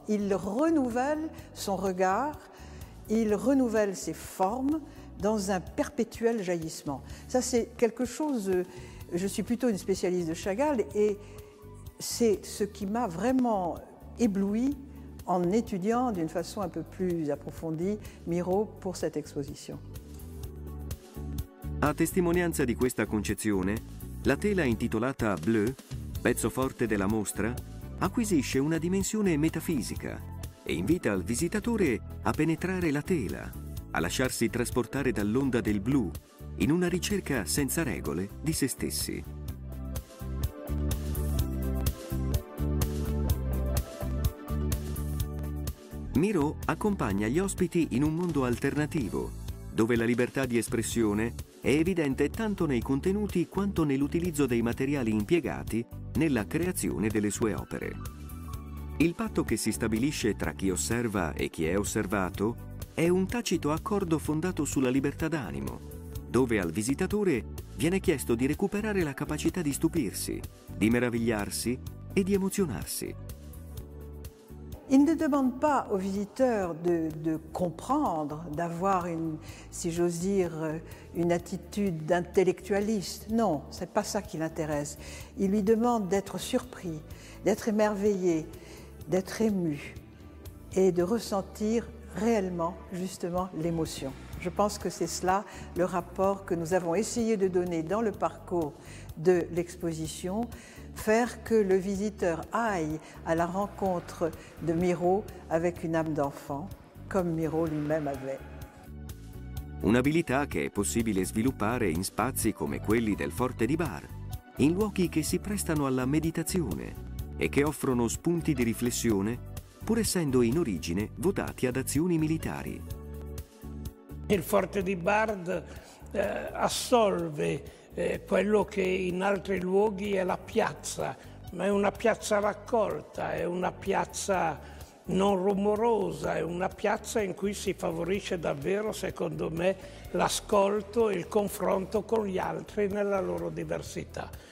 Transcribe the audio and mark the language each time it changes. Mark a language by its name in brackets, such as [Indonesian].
[French] Il renouvelle son regard, il renouvelle ses formes dans un perpétuel jaillissement. Ça, c'est quelque chose... Je suis plutôt une spécialiste de Chagall et c'est ce qui m'a vraiment ébloui en étudiant d'une façon un peu plus approfondie Miro pour cette exposition. [Italian] A testimonianza di questa concezione, la tela intitolata Bleu, pezzo forte della mostra, acquisisce una dimensione metafisica e invita il visitatore a penetrare la tela, a lasciarsi trasportare dall'onda del blu in una ricerca senza regole di se stessi. Miro accompagna gli ospiti in un mondo alternativo, dove la libertà di espressione è evidente tanto nei contenuti quanto nell'utilizzo dei materiali impiegati nella creazione delle sue opere. Il patto che si stabilisce tra chi osserva e chi è osservato è un tacito accordo fondato sulla libertà d'animo, dove al visitatore viene chiesto di recuperare la capacità di stupirsi, di meravigliarsi e di emozionarsi. [French] Il ne demande pas au visiteur de comprendre, d'avoir une, si j'ose dire, une attitude d'intellectualiste. Non, c'est pas ça qui l'intéresse. Il lui demande d'être surpris, d'être émerveillé, d'être ému et de ressentir réellement, justement, l'émotion. Je pense que c'est cela le rapport que nous avons essayé de donner dans le parcours de l'exposition. Faire que le visiteur aille à la rencontre de Miro avec une âme d'enfant, comme Miro lui-même avait. [Italian] Un'abilità che è possibile sviluppare in spazi come quelli del Forte di Bar, in luoghi che si prestano alla meditazione e che offrono spunti di riflessione, pur essendo in origine votati ad azioni militari. Il Forte di Bar assolve quello che in altri luoghi è la piazza, ma è una piazza raccolta, è una piazza non rumorosa, è una piazza in cui si favorisce davvero, secondo me, l'ascolto e il confronto con gli altri nella loro diversità.